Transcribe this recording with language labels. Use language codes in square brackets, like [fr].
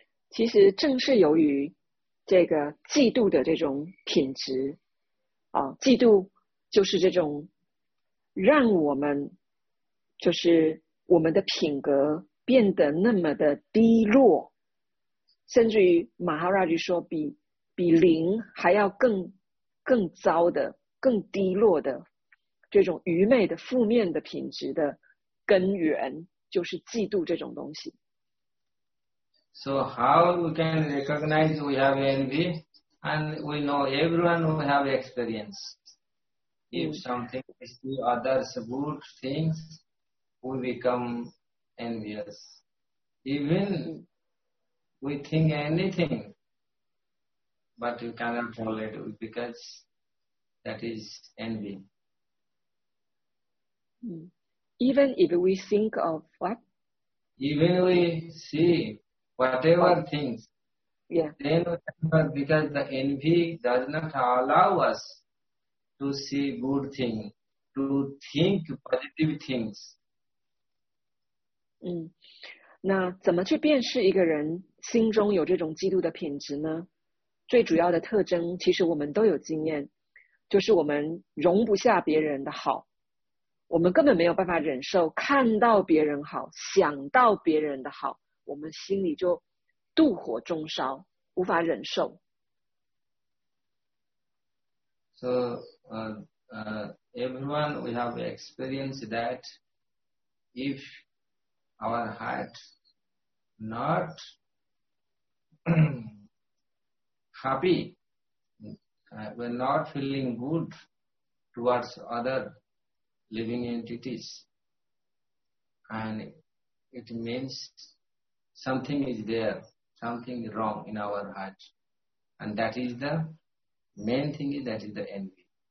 [zh] 其实正是由于这个嫉妒的这种品质啊，嫉妒就是这种让我们就是我们的品格变得那么的低落，甚至于马哈拉吉说比零还要更糟的。更低落的这种愚昧的负面的品质的根源就是嫉妒这种东西。 [en] So how we can recognize we have envy, and we know everyone who have experience. If something is the other's good things, we become envious. Even we think anything, but you cannot relate it because. That is envy. Even if we think of what? Even we see whatever things. Yeah. Then because the envy does not allow us to see good things, to think positive things. [zh] 那怎么去辨识一个人心中有这种基督的品质呢？最主要的特征，其实我们都有经验，就是我们容不下别人的好，我们根本没有办法忍受看到别人好，想到别人的好，我们心里就妒火中烧，无法忍受。 [en] So, everyone, we have experienced that if our heart not happy, we're not feeling good towards other living entities, and it means something is there, something wrong in our heart, and that is the main thing, is that is the envy.